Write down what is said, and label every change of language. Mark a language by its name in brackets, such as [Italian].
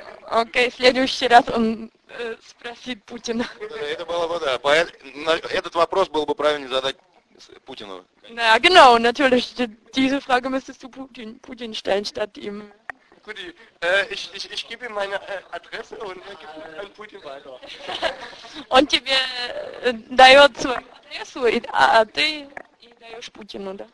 [Russian] Okay, следующий раз он спросит Путина. Это было бы, да. Этот вопрос было бы правильнее задать Путину. [German] Да, ja, genau, natürlich. Diese Frage müsstest du Putin stellen statt ihm. Gudi, ich gebe ihm meine Adresse und er gibt mir an Putin weiter. [Russian] Und тебе дает свою адресу, а ты даешь Путину, да?